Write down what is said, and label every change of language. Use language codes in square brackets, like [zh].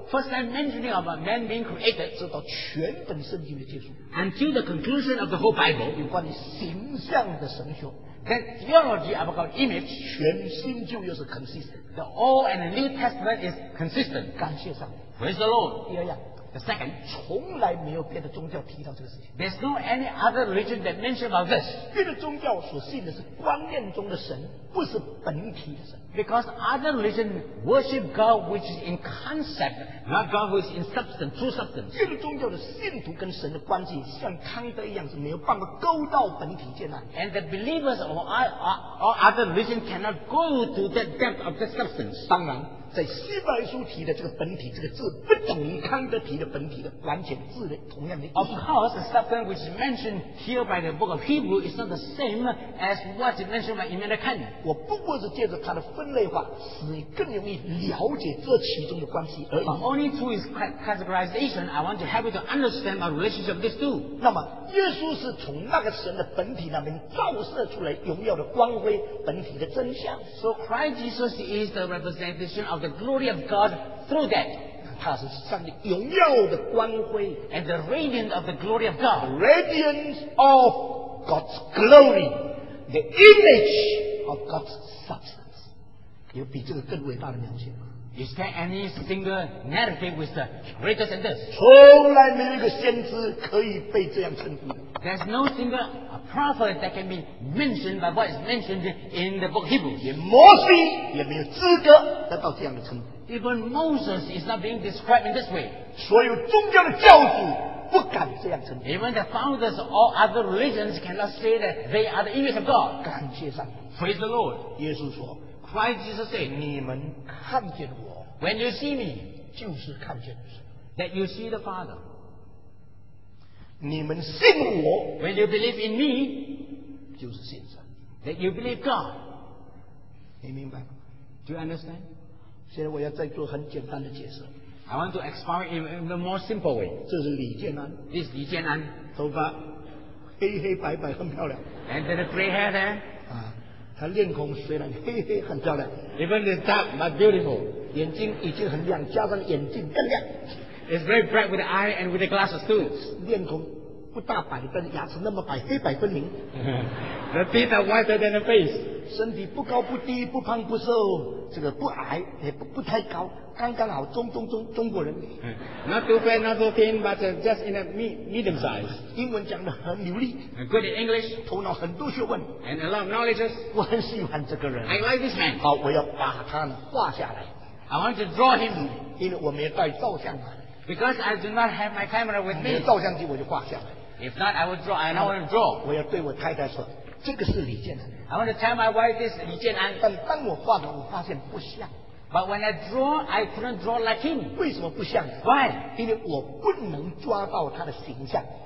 [en] First time mentioning of a man being created, [zh] 直到全本圣经的结束。 [en] Until the conclusion of the whole Bible, [zh] 有关于形象的神学。 [en] That theology about image, [zh] 全新旧约是 [en] consistent. The Old and the New Testament is consistent. [zh] 感谢上帝。 [en] Praise the Lord. [zh] 第二样。 [en] The second, [zh] 从来没有别的宗教提到这个事情。 [en] There's no any other religion that mentions about this. [zh] 别的宗教所信的是观念中的神，不是本体的神。 [en] Because other religion worship God which is in concept, not God who is in substance, true substance. [zh] 别的宗教的信徒跟神的关系像康德一样是没有办法勾到本体见到。 [en] And the believers of all other religion cannot go to that depth of the substance. [zh] 当然。在希伯来书提的这个本体这个字不等于康德提的本体的完全字的同样的意思。 [en] Of course, the substance which is mentioned here by the book of Hebrew is not the same as what is mentioned by Immanuel Kant. [zh] 我不过是借着它的分类化使你更容易了解这其中的关系而已。 [en] But only through its categorization, I want to help you to understand our relationship with these two. [zh] 那么耶稣是从那个神的本体那边照射出来荣耀的光辉本体的真相。 [en] So Christ Jesus is the representation of the glory of God through that. [zh] 他是上帝荣耀的光辉 [en] and the radiance of the glory of God. Radiance of God's glory. The image of God's substance. [zh] 有比这个更伟大的描写吗？ [en] Is there any single narrative with the greater than this? [zh] 从来没有一个先知可以被这样称呼。 [en] There's no single prophet that can be mentioned by what is mentioned in the book Hebrew. [zh] 连摩西也没有资格得到这样的称呼。 [en] Even Moses is not being described in this way. [zh] 所有宗教的教主不敢这样称呼。 [en] Even the founders of all other religions cannot say that they are the image of God. [zh] 感谢上帝。 [en] Praise the Lord. [zh] 耶稣说。 [en] Christ Jesus said, [zh] 你们看见我 [en] when you see me, [zh] 就是看见 [en] that you see the Father. [zh] 你们信我 [en] when you believe in me, [zh] 就是信神 [en] that you believe God. [zh] 你明白吗 [en] do you understand? [zh] 现在我要再做很简单的解释 [en] I want to explain in a more simple way. [zh] 这是李建安 [en] this is 李建安 [zh] 头发黑黑白白很漂亮 [en] and then the gray hair there. [zh] 他脸孔虽然黑黑很漂亮 [en] Even the dark but beautiful [zh] 眼睛已经很亮加上眼镜更亮 [en] It's very bright with the eye and with the glasses too [zh] 脸孔不大白但牙齿那么白黑白分明 [en] The teeth are whiter than the face [zh] 身体不高不低不胖不瘦这个不矮也 不太高刚刚好中国人 [en] Not too fat not too thin but just in a medium size [zh] 英文讲得很流利 [en] Good in English [zh] 头脑很多学问 [en] And a lot of knowledge [zh] 我很喜欢这个人 [en] I like this man [zh] 好我要把他画下来 [en] I want to draw him [zh] 因为我没带照相嘛 [en] Because I do not have my camera with me [zh] 没照相机我就画下来 [en] If not I will draw I don't want to draw [zh] 我要对我太太说这个是李建安 [en] I want to tell my wife this 李建安 [zh] 但当我画的我发现不像 [en] But when I draw, I couldn't draw like him. [zh] 为什么不像 [en] Why? [zh] 因为我不能抓到他的形象。